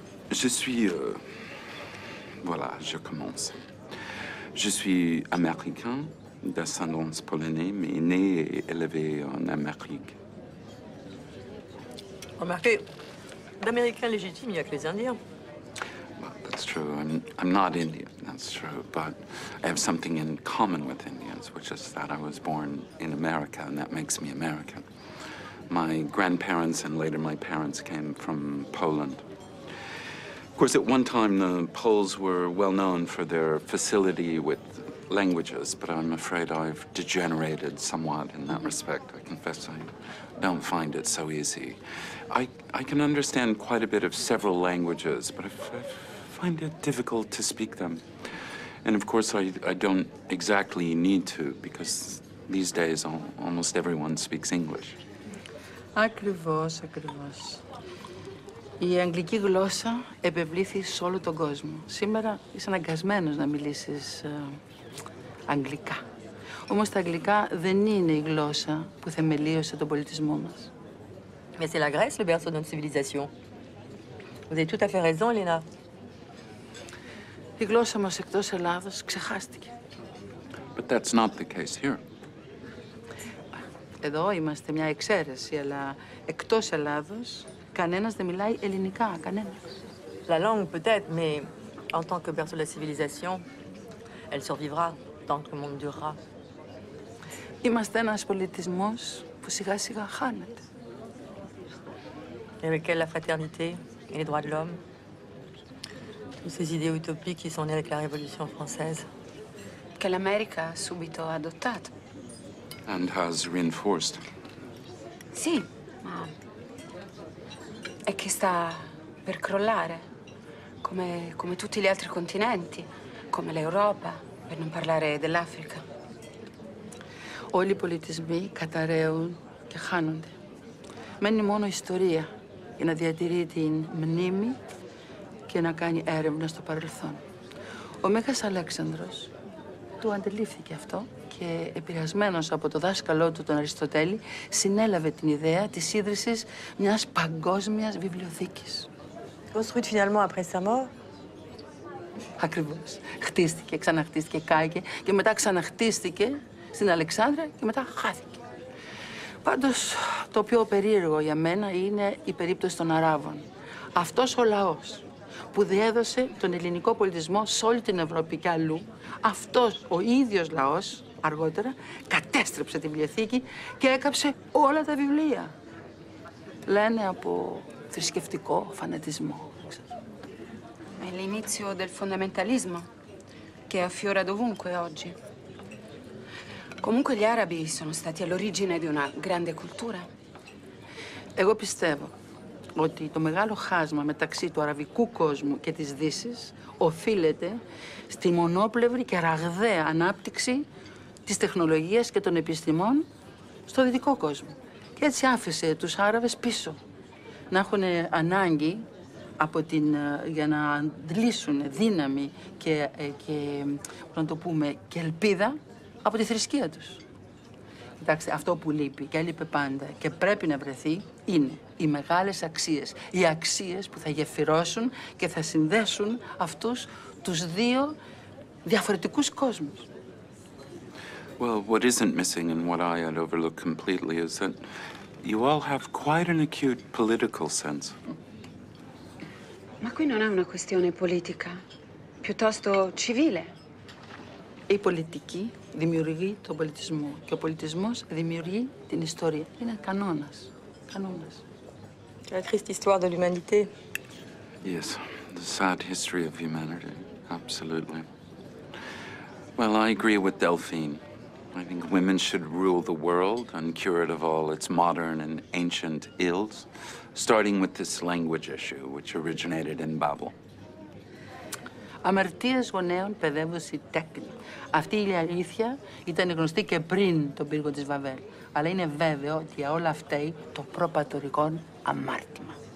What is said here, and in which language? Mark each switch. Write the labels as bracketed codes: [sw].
[fr] Je suis... voilà, je commence. Je suis américain, d'ascendance polonaise, mais né et élevé en Amérique. Remarquez, d'Américains légitimes, il n'y a que les Indiens. [en] Well, that's true. I mean, I'm not Indian, that's true. But I have something in common with Indians, which is that I was born in America, and that makes me American. My grandparents and later my parents came from Poland. Of course, at one time, the Poles were well known for their facility with languages, but I'm afraid I've degenerated somewhat in that respect. I confess I don't find it so easy. I can understand quite a bit of several languages, but I find it difficult to speak them. And of course, I don't exactly need to, because these days, almost everyone speaks English. [el] Ακριβώς, ακριβώς. Η αγγλική γλώσσα επευλήθη σε όλο τον κόσμο. Σήμερα είσαι αναγκασμένος να μιλήσεις αγγλικά. Όμως τα αγγλικά δεν είναι η γλώσσα που θεμελίωσε τον πολιτισμό μας. [fr] Mais c'est la Grèce le berceau de notre civilisation. Vous avez tout à fait raison, Elena. [el] Η γλώσσα μας εκτός Ελλάδος ξεχάστηκε. [en] But that's not the case here. [el] Εδώ είμαστε μια εξαίρεση, αλλά εκτός Ελλάδος κανένας δεν μιλάει ελληνικά, κανένας. [fr] La langue peut-être, mais en tant que berceau de la civilisation, elle survivra tant que le monde durera. [el] Είμαστε ένας πολιτισμός που σιγά σιγά χάνεται. [fr] Et avec elle, la fraternité et les droits de l'homme. Toutes ces idées utopiques qui sont nées avec la Révolution française. Que l'Amérique a [it] subito adoptate. [en] And has reinforced. [it] Sì, ma è che sta per crollare, come tutti gli altri continenti, come l'Europa, per non parlare dell'Africa. [el] Όλοι οι πολιτισμοί καταραίουν και χάνονται. Μένει μόνο ιστορία για να διατηρεί την μνήμη και να κάνει έρευνα στο παρελθόν. Ο Μέγας Αλέξανδρος του αντιλήφθηκε αυτό και επηρεασμένος από το δάσκαλό του τον Αριστοτέλη, συνέλαβε την ιδέα της ίδρυσης μιας παγκόσμιας βιβλιοθήκης. Construite finalement après sa mort. Ακριβώς. Χτίστηκε, ξαναχτίστηκε, κάηκε και μετά ξαναχτίστηκε στην Αλεξάνδρα και μετά χάθηκε. Πάντως, το πιο περίεργο για μένα είναι η περίπτωση των Αράβων. Αυτός ο λαός που διέδωσε τον ελληνικό πολιτισμό σε όλη την Ευρώπη και αλλού, αυτός ο ίδιος λαός αργότερα κατέστρεψε την βιβλιοθήκη και έκαψε όλα τα βιβλία. Λένε από θρησκευτικό φανατισμό. [it] È l'inizio del fondamentalismo che affiora dovunque oggi. Comunque gli arabi sono stati all'origine di una grande cultura. [el] Εγώ πιστεύω ότι το μεγάλο χάσμα μεταξύ του αραβικού κόσμου και της Δύσης οφείλεται στη μονόπλευρη και ραγδαία ανάπτυξη της τεχνολογίας και των επιστημών στο δυτικό κόσμο. Και έτσι άφησε τους Άραβες πίσω να έχουν ανάγκη από την, για να αντλήσουν δύναμη και, και, να το πούμε, και ελπίδα από τη θρησκεία τους. Κοιτάξτε, αυτό που λείπει και έλειπε πάντα και πρέπει να βρεθεί είναι οι μεγάλες αξίες. Οι αξίες που θα γεφυρώσουν και θα συνδέσουν αυτούς τους δύο διαφορετικούς κόσμους. [en] Well, what isn't missing and what I had overlooked completely is that you all have quite an acute political sense. [it] Ma qui non è una questione politica, piuttosto civile. [el] Η πολιτική δημιουργεί τον πολιτισμό και ο πολιτισμός δημιουργεί την ιστορία. Είναι κανόνας. Κανόνας. [fr] La triste histoire de l'humanité. [en] Yes, the sad history of humanity. Absolutely. Well, I agree with Delphine. I think women should rule the world, uncured of all its modern and ancient ills, starting with this language issue, which originated in Babel. [el] Αμαρτίας γονέων παιδεύουσε τέκνη. Αυτή η αλήθεια ήταν γνωστή και πριν τον πύργο της Βαβέλ. Αλλά είναι βέβαιο ότι όλα αυτά το προπατορικό αμάρτημα.